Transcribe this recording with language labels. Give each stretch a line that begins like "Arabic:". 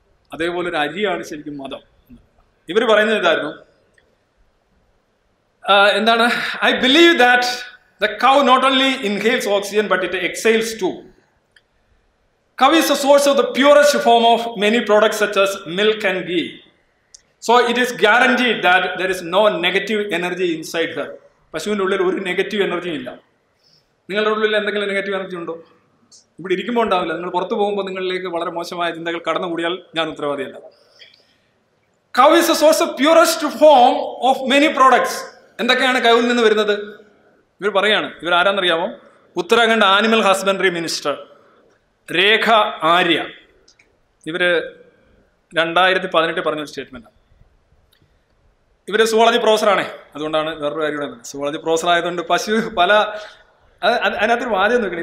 Malayalam: അതേപോലെ ഒരു അരിയാണ് ശരിക്കും മതം. ഇവർ പറയുന്നത് ഇതായിരുന്നു, എന്താണ്,
English: I believe that the cow not only inhales oxygen but it exhales too. Cow is a source of the purest form of many products such as milk and ghee. So it is guaranteed that there is no negative energy inside her.
Malayalam: പശുവിന്റെ ഉള്ളിൽ ഒരു negative എനർജിയും ഇല്ല. നിങ്ങളുടെ ഉള്ളിൽ എന്തെങ്കിലും negative energy ഉണ്ടോ? ഇവിടെ ഇരിക്കുമ്പോൾ ഉണ്ടാവില്ല. നിങ്ങൾ പുറത്തു പോകുമ്പോൾ നിങ്ങളിലേക്ക് വളരെ മോശമായ ചിന്തകൾ കടന്നു കൂടിയാൽ ഞാൻ ഉത്തരവാദിയല്ല.
English: Cow is a source of purest form of many products.
Malayalam: എന്തൊക്കെയാണ് കൗവിൽ നിന്ന് വരുന്നത്? ഇവർ പറയാണ്, ഇവർ ആരാന്നറിയാമോ, ഉത്തരാഖണ്ഡ് ആനിമൽ ഹസ്ബൻഡറി മിനിസ്റ്റർ രേഖ ആര്യ. ഇവര് 2018 പറഞ്ഞ ഒരു സ്റ്റേറ്റ്മെന്റാണ്. ഇവര് സുവോളജി പ്രൊഫസറാണേ, അതുകൊണ്ടാണ് വേറൊരു കാര്യം. സുവോളജി പ്രൊഫസറായതുകൊണ്ട് പശു പല അതിനകത്തൊരു വാദ്യം നോക്കണം.